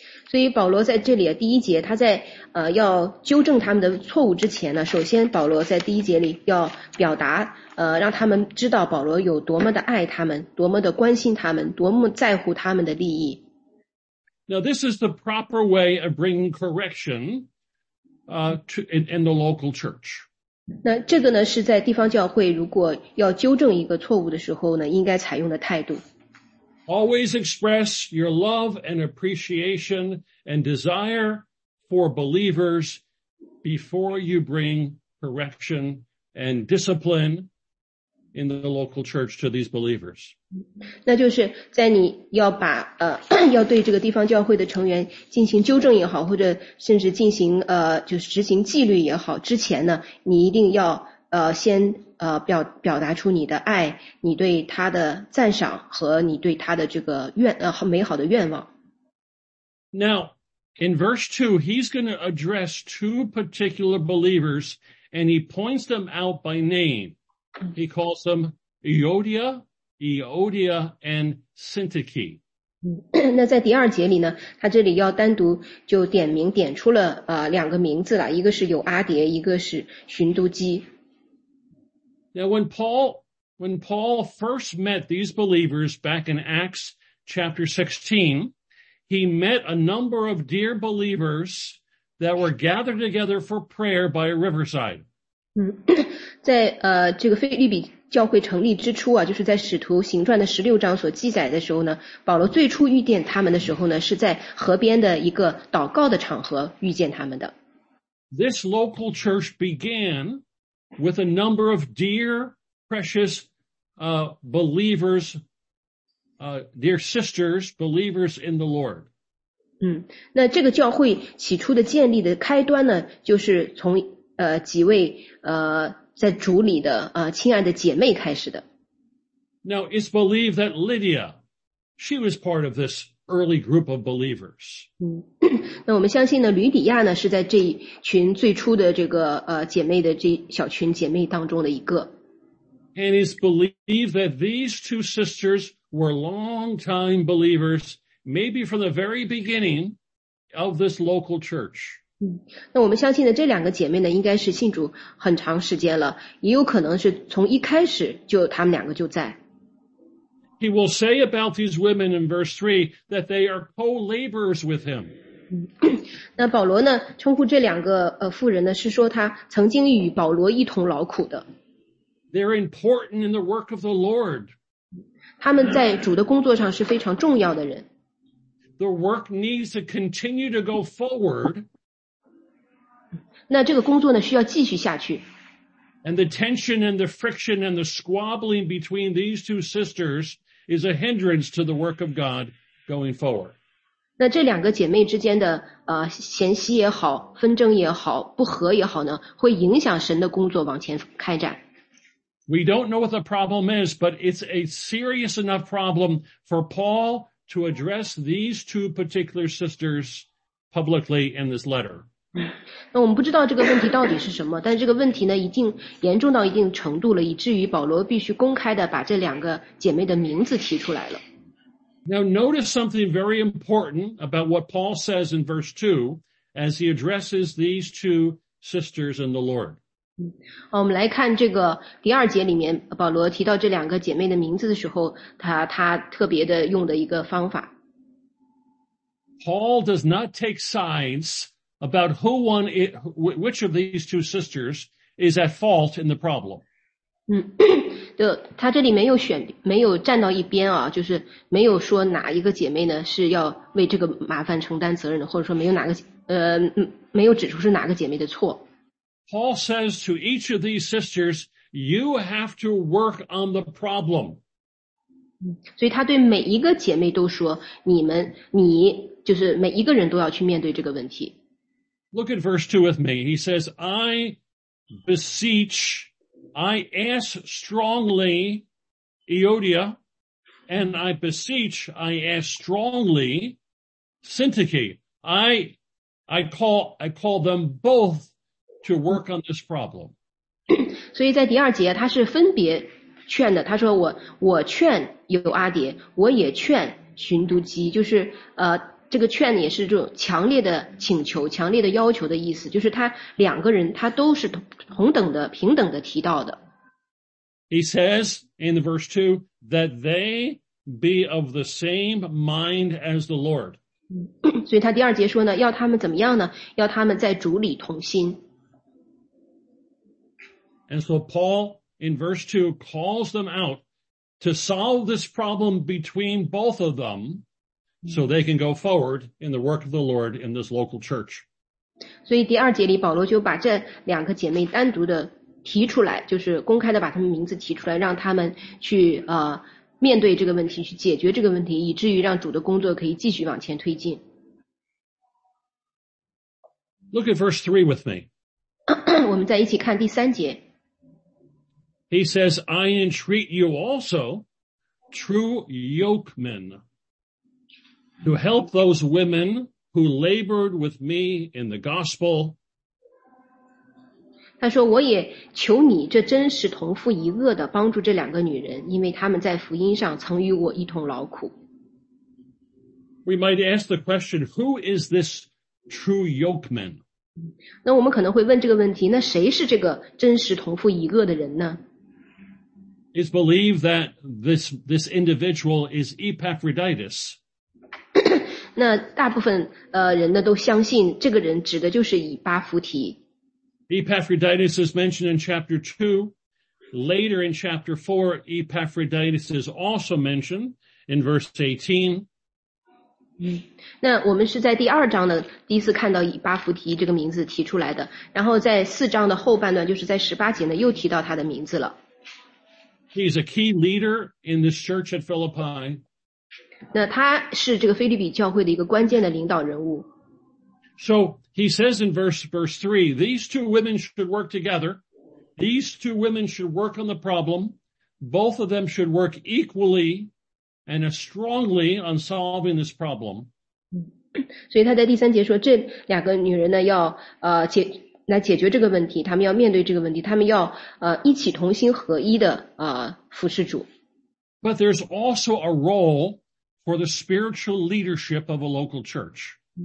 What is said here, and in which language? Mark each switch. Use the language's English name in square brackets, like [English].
[Chinese] 所以保罗在这里第一节他在要纠正他们的错误之前呢，首先保罗在第一节里要表达让他们知道保罗有多么的爱他们，多么的关心他们，多么在乎他们的利益。 [English] Now, this is the proper way of bringing correction, in the local church. [Chinese] 那这个呢，是在地方教会如果要纠正一个错误的时候呢，应该采用的态度。 [English] Always express your love and appreciation and desire for believers before you bring correction and discipline in the local church to these believers. [Chinese] 那就是在你要把要对这个地方教会的成员进行纠正也好，或者甚至进行就是执行纪律也好之前呢，你一定要先表达出你的爱，你对他的赞赏和你对他的这个美好的愿望。 [English] Now, in verse 2, he's going to address two particular believers and he points them out by name. He calls them Euodia and Syntyche. [Chinese] 那在第二节里呢，他这里要单独就点名点出了两个名字了，一个是有阿蝶，一个是寻都基。 [English] Now when Paul first met these believers back in Acts chapter 16, he met a number of dear believers that were gathered together for prayer by a riverside. [Chinese] 在这个菲律比教会成立之初啊，就是在使徒行传的十六章所记载的时候呢，保罗最初遇见他们的时候呢，是在河边的一个祷告的场合遇见他们的。 [English] This local church began with a number of dear, precious, believers, dear sisters, believers in the Lord. [Chinese] 那这个教会起初的建立的开端呢，就是从几位在主里的亲爱的姐妹开始的。 [English] Now it's believed that Lydia, she was part of this early group of believers. [Chinese] 那我们相信呢，吕底亚呢是在这一群最初的这个姐妹的这小群姐妹当中的一个。 [English] And it's believed that these two sisters were long-time believers, maybe from the very beginning of this local church. [Chinese] 那我们相信呢，这两个姐妹呢，应该是信主很长时间了，也有可能是从一开始就她们两个就在。 [English] He will say about these women in verse 3 that they are co-laborers with him. [Chinese] 那保罗呢称呼这两个妇人呢是说他曾经与保罗一同劳苦的。 [English] They're important in the work of the Lord. [Chinese] 他们在主的工作上是非常重要的人。 [English] The work needs to continue to go forward. [Chinese] 那这个工作呢需要继续下去。 [English] And the tension and the friction and the squabbling between these two sisters is a hindrance to the work of God going forward. [Chinese] 那这两个姐妹之间的嫌隙也好纷争也好不和也好呢会影响神的工作往前开展。 [English] We don't know what the problem is, but it's a serious enough problem for Paul to address these two particular sisters publicly in this letter. [Chinese] 那我们不知道这个问题到底是什么，但这个问题呢，已经严重到一定程度了，以至于保罗必须公开的把这两个姐妹的名字提出来了。 [English] Now notice something very important about what Paul says in verse 2 as he addresses these two sisters in the Lord. [Chinese] 我们来看这个第二节里面保罗提到这两个姐妹的名字的时候 他特别的用的一个方法 [English] Paul does not take sides about who one is, which of these two sisters is at fault in the problem [Chinese] 对他这里没有选没有站到一边啊，就是没有说哪一个姐妹呢是要为这个麻烦承担责任的或者说没有哪个没有指出是哪个姐妹的错 [English] Paul says to each of these sisters, you have to work on the problem. [Chinese] 所以他对每一个姐妹都说,你就是每一个人都要去面对这个问题。 [English] Look at verse 2 with me. He says, I ask strongly, Euodia, and I beseech, I ask strongly, Syntyche. I call them both to work on this problem. [Chinese] 所以在第二节他是分别劝的他说我劝有阿蝶我也劝寻都基就是这个劝也是这种强烈的请求强烈的要求的意思就是他两个人他都是同等的平等的提到的。 [English] He says in verse 2 that they be of the same mind as the Lord. [Chinese] 所以他第二节说呢要他们怎么样呢要他们在主里同心。 [English] And so Paul, in verse 2, calls them out to solve this problem between both of them so they can go forward in the work of the Lord in this local church. [Chinese] 所以第二节里保罗就把这两个姐妹单独的提出来就是公开的把她们名字提出来让她们去面对这个问题去解决这个问题以至于让主的工作可以继续往前推进。 [English] Look at verse 3 with me. [Chinese] 我们再一起看第三节。 [English] He says, I entreat you also, true yokemen, to help those women who labored with me in the gospel. [Chinese] 他说我也求你这真是同父一轭的帮助这两个女人因为他们在福音上曾与我一同劳苦。 [English] We might ask the question, who is this true yokeman? [Chinese] 那我们可能会问这个问题那谁是这个真是同父一轭的人呢 [English] It's believed that this individual is Epaphroditus. [Chinese] 那大部分人呢都相信这个人指的就是以巴弗提。 [English] Epaphroditus is mentioned in chapter 2. Later in chapter 4, Epaphroditus is also mentioned in verse 18. [Chinese] 那我们是在第二章呢第一次看到以巴弗提这个名字提出来的然后在四章的后半段就是在十八节呢又提到他的名字了。 [English] He's a key leader in this church at Philippi. [Chinese] 那他是这个腓立比教会的一个关键的领导人物。 [English] So he says in verse 3, these two women should work together. These two women should work on the problem. Both of them should work equally and as strongly on solving this problem. [Chinese] 所以他在第三节说这两个女人呢要来解决这个问题他们要面对这个问题他们要一起同心合一的服侍主。 [English] But there's also a role for the spiritual leadership of a local church.